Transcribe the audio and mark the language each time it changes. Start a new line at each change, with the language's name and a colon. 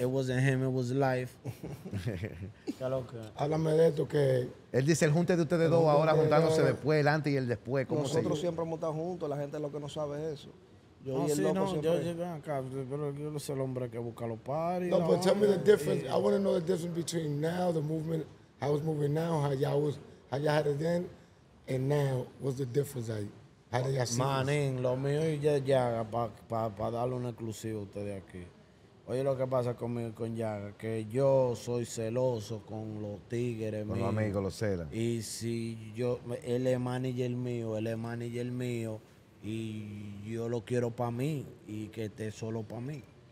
English: It wasn't him, it was life.
Spanish: ¿Qué lo que? Háblame de esto que. Él dice el junte de ustedes dos ahora juntándose de después, el antes y el después. ¿Cómo nosotros siempre hemos estado juntos, la gente es lo que no sabe eso. Yo no, sí, no, yo llegué acá, pero yo no soy el hombre que busca los parties. No, pero
English: tell me the difference. I want to know the difference between now, the movement. I was moving now, how y'all had it then, and now, what's the difference? How do y'all see
Spanish: Manín, lo mío y Yaga, pa darle un exclusivo a ustedes aquí. Oye, lo que pasa conmigo y con Yaga, que yo soy celoso con los tigres míos. Con los amigos, los celas. Y si yo, él es manager mío, y yo lo quiero para mí, y que esté solo para mí.